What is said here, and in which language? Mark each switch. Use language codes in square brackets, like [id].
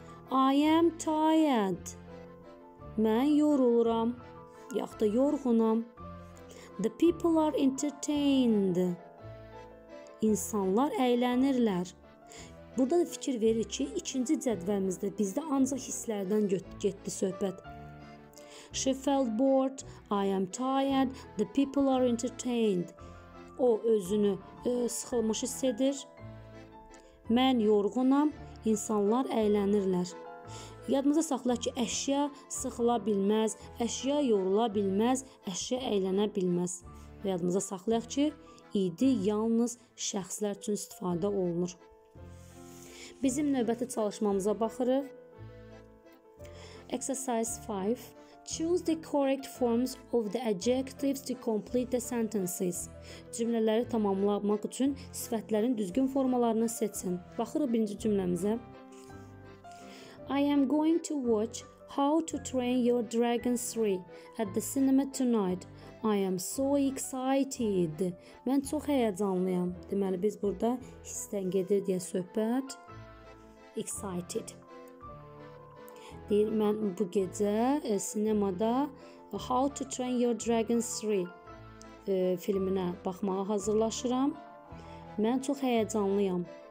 [en] I am tired. [az] Mən yoruluram. Yaxud da yorğunam. [en] The people are entertained. [az] İnsanlar əylənirlər. Burada da fikir verir ki, ikinci cədvəlimizdə bizdə ancaq hisslərdən getdi söhbət. [en] She felt bored, I am tired, the people are entertained. [az] O özünü sıxılmış hiss edir. Mən yorğunam, insanlar əylənirlər. Yadınıza saxla ki, əşya sıxıla bilməz, əşya yorula bilməz, əşya əylənə bilməz. Yadınıza saxlayaq ki, idi yalnız şəxslər üçün istifadə olunur. Bizim növbəti çalışmamıza baxırıq. [en] Exercise 5. Choose the correct forms of the adjectives to complete the sentences. [az] Cümlələri tamamlamaq üçün sifətlərin düzgün formalarını seçin. Baxırıq birinci cümləmizə. [en] I am going to watch How to Train Your Dragon 3 at the cinema tonight. I am so excited. [az] Mən çox həyəcanlıyam. Deməli, biz burada hissdən gedir deyə söhbət. Excited. Deyir, mən bu gecə sinemada How to Train Your Dragon 3 filminə baxmağa hazırlaşıram. Mən çox həyəcanlıyam.